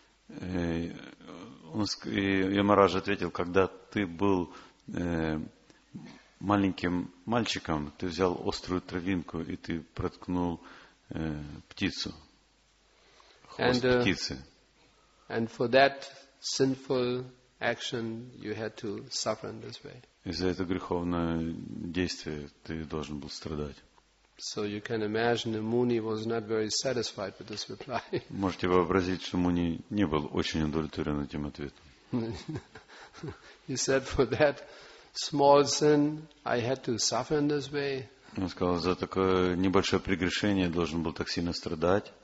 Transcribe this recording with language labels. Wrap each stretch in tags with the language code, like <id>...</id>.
<ru>Ямарадж ответил, когда ты был маленьким мальчиком, ты взял острую травинку и ты проткнул птицу, хвост птицы.</ru> <en>And for that sinful action, you had to suffer in this way.</en> <ru>Из-за этого греховного действия ты должен был страдать.</ru> <en>So you can imagine, Муни was not very satisfied with this reply.</en> <ru>Можете вообразить, что Муни не был очень удовлетворен этим ответом.</ru> <en>He said, "For that small sin, I had to suffer in this way."</en> <ru>Он сказал, за такое небольшое прегрешение должен был так сильно страдать.</ru>